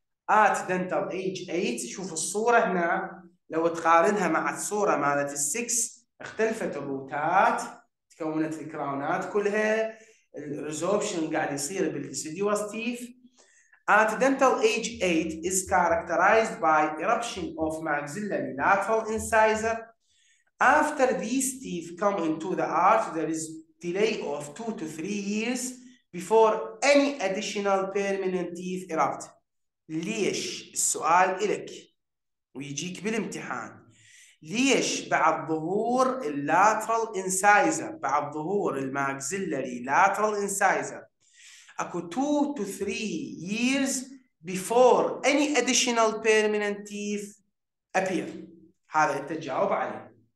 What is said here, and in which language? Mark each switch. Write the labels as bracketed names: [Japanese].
[Arabic] ات دنتال ايج 8 شوف الصوره هنا لو تقارنها مع الصوره مالت ال 6 اختلفت الروتات، تكونت الكراونات كلها، الريزوربشن قاعد يصير بالديسيديوس تيف. [English] At dental age 8 is characterized by eruption of maxillary lateral incisor. After these teeth come into the arch, there is delay of 2 to 3 years before any additional permanent teeth erupt. [Arabic] ليش؟ السؤال إلك ويجيك بالامتحان. ليش بعد ظهور اللاترال انسايزر، بعد ظهور الماكسيلاري لاترال انسايزر، اكو [English] 2 to 3 years before any additional permanent teeth appear؟ [Arabic] هذا انت تجاوب عليه.